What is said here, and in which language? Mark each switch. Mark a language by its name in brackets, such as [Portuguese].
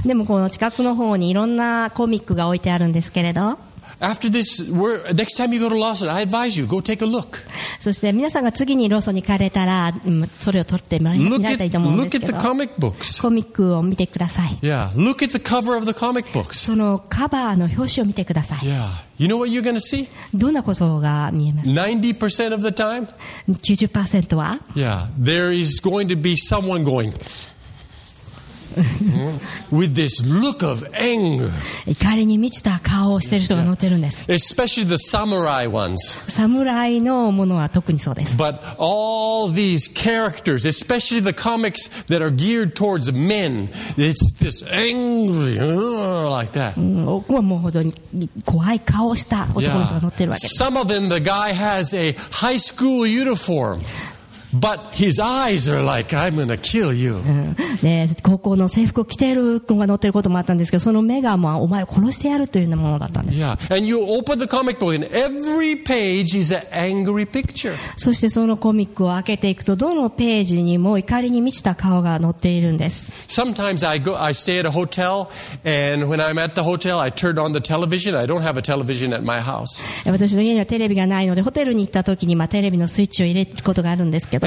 [Japanese] でもこの近くの方にいろんなコミックが置いてあるんですけれど。 [English] After this, next time you go to Lawson, I advise you go take a look. [Japanese] そして皆さんが次にローソンに行かれたら、それを取ってみたいと思うんですけど。 [English] Look at the comic books. [Japanese] コミックを見てください。 [English] Yeah. Look at the cover of the comic books. [Japanese] そのカバーの表紙を見てください。 [English] Yeah. You know what you're going to see? [Japanese] どんなことが見えますか? [English] 90% of the time? [Japanese] 90% は? [English] Yeah. There is going to be someone going. With this look of anger. [Japanese] 怒りに満ちた顔をしている人が乗ってるんです。 [English] Yeah. Especially the samurai ones. [Japanese] 侍のものは特にそうです。 [English] But all these characters, especially the comics that are geared towards men, it's this angry, like that. [Japanese] 奥はもうほどに怖い顔をした男の人が乗ってるわけです。 [English] Yeah. Some of them, the guy has a high school uniform. But his eyes are like, I'm gonna kill you. [Japanese] で、高校の制服を着ている子が乗っていることもあったんですけど、その目がもうお前を殺してやるというようなものだったんです。 [English] Yeah. And you open the comic book and every page is an angry picture. [Japanese] そしてそのコミックを開けていくと、どのページにも怒りに満ちた顔が載っているんです。 [English] Sometimes I stay at a hotel and when I'm at the hotel, I turn on the television. I don't have a television at my house. [Japanese] 私の家にはテレビがないので、ホテルに行った時に、まあ、テレビのスイッチを入れることがあるんですけど、